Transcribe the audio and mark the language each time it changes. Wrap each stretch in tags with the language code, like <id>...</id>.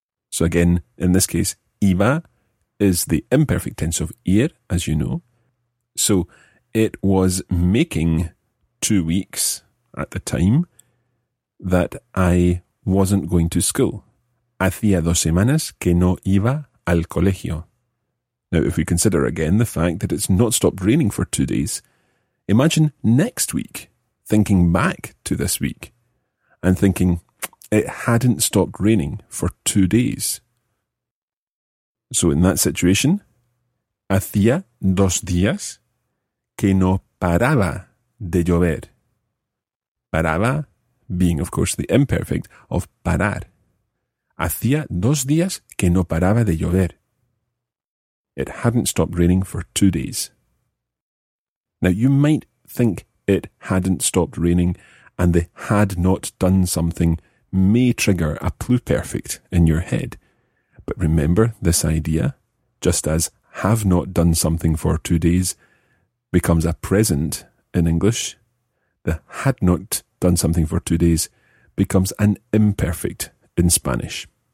<en>So again, in this case, iba is the imperfect tense of ir, as you know. So it was making 2 weeks at the time that I wasn't going to school.</en> <es>Hacía dos semanas que no iba al colegio.</es> <en>Now, if we consider again the fact that it's not stopped raining for 2 days, imagine next week thinking back to this week and thinking it hadn't stopped raining for 2 days. So in that situation,</en> <es>hacía dos días que no paraba de llover.</es> <en>Paraba being, of course, the imperfect of parar.</en> <es>Hacía dos días que no paraba de llover.</es> <en>It hadn't stopped raining for 2 days. Now, you might think it hadn't stopped raining and the had not done something may trigger a pluperfect in your head. But remember this idea, just as have not done something for 2 days becomes a present in English, the had not done something for 2 days becomes an imperfect in Spanish.</en>